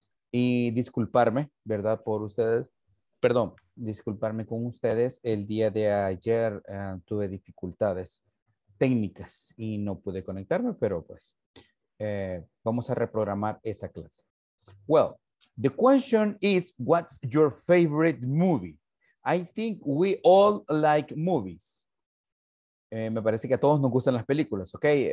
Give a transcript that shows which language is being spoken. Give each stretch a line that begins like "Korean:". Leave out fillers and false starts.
Spanish: Y disculparme, ¿verdad? Por ustedes, perdón, disculparme con ustedes. El día de ayer tuve dificultades técnicas y no pude conectarme, pero pues vamos a reprogramar esa clase.
English: Well, the question is, what's your favorite movie? I think we all like movies.
Spanish: Me parece que a todos nos gustan las películas, ¿ok?